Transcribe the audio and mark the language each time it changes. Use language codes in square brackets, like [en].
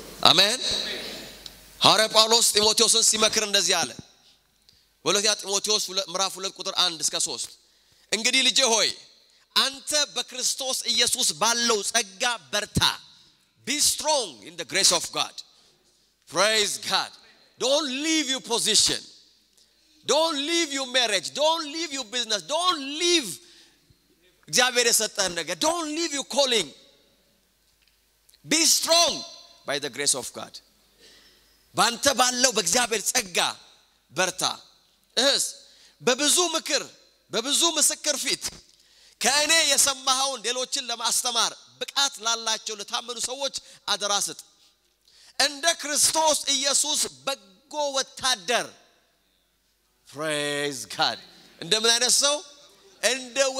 [am] አሜን። ሐዋርያ ጳውሎስ ጢሞቴዎስን ሲመክር እንደዚህ አለ ወለዚያ ጢሞቴዎስ ምዕራፍ 2 ቁጥር 1 እስከ 3 እንግዲህ ልጄ ሆይ አንተ በክርስቶስ ኢየሱስ ባለው ጸጋ በርታ። [en] Be strong in the grace of God. Praise God. Don't leave your position. Don't leave your marriage. Don't leave your business. Don't leave [am] እግዚአብሔር የሰጠህን ነገር. [en] Don't leave your calling. Be strong by the grace of God. [am] ባንተ ባለው በእግዚአብሔር ጸጋ በርታ። እህስ በብዙ ምክር በብዙ ምስክር ፊት ከእኔ የሰማኸውን ሌሎችን ለማስተማር ብቃት ላላቸው ለታመኑ ሰዎች አደራስጥ። እንደ ክርስቶስ ኢየሱስ በጎ ወታደር [en] ፕሬዝ ጋድ [am] እንደምን አይነት ሰው እንደ